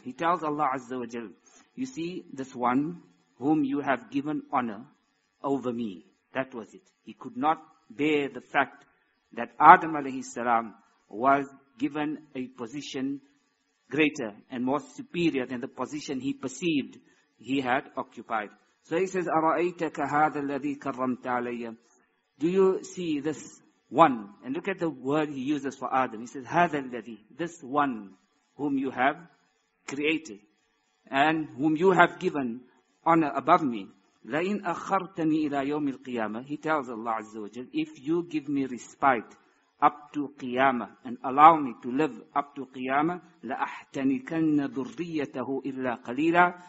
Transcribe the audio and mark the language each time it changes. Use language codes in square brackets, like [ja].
[en] He tells Allah Azza wa Jal, you see this one whom you have given honor over me. That was it. He could not bear the fact that Adam alayhi salam was given a position greater and more superior than the position he perceived he had occupied. So he says, [ar] أَرَأَيْتَكَ هَذَا الَّذِي كَرَّمْتَ عَلَيَّ. [en] Do you see this one? And look at the word he uses for Adam. He says, [ar] هَذَا الَّذِي. [en] This one whom you have created and whom you have given honor above me. [ar] لَإِنْ أَخَّرْتَنِي إِلَى يَوْمِ الْقِيَامَةِ. [en] He tells Allah Azza wa Jal, if you give me respite up to Qiyamah and allow me to live up to Qiyamah, [ar] لَأَحْتَنِكَنَّ ذُرِّيَّتَهُ إِلَّا قَلِيلًا.